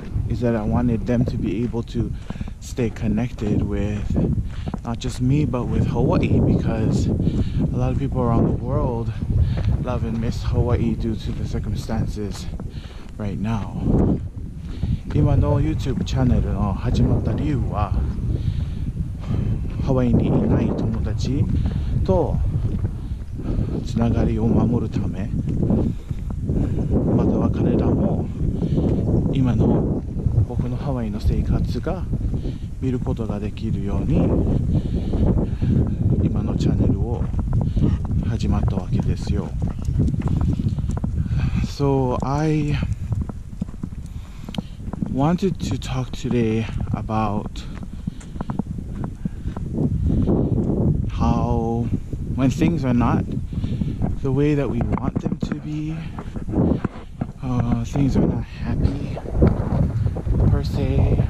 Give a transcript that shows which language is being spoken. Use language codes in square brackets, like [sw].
[en] is that I wanted them to be able to stay connected with not just me but with Hawaii, because a lot of people around the world love and miss Hawaii due to the circumstances right now. [ja] 今の YouTube チャンネルの始まった理由は、ハワイにいない友達とつながりを守るため、または彼らも今の僕のハワイの生活が見ることができるように今のチャンネルを始まったわけですよ。 [en] So I wanted to talk today about how when things are not the way that we want them to be, things are not happy per se.